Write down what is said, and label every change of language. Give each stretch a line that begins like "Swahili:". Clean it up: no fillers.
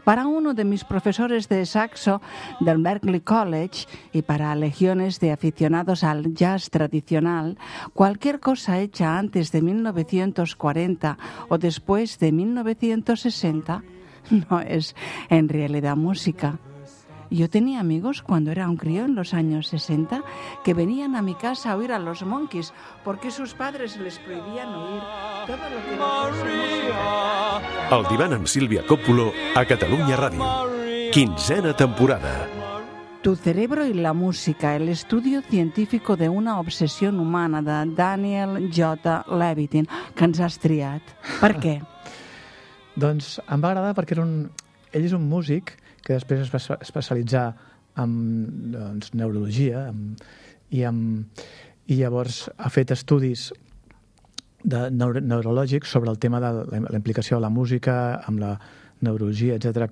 Spanish: Para uno de mis profesores de saxo del Berklee College y para legiones de aficionados al jazz tradicional, cualquier cosa hecha antes de 1940 o después de 1960 no es en realidad música. Yo tenía amigos cuando era un crío en los años 60 que venían a mi casa a oír a los Monkees porque sus padres les prohibían oír todo lo que era.
Catalan: El divan amb Sílvia Còpulo a Catalunya Ràdio. 15a temporada.
Spanish: Tu cerebro y la música, el estudio científico de una obsesión humana, de Daniel J.
Catalan: Levitin, que ens has triat. Per què? Doncs em va agradar perquè ell és un músic que després es va especialitzar en, doncs, neurologia i llavors ha fet estudis de neurològics sobre el tema de la implicació de la música amb la neurologia, etc.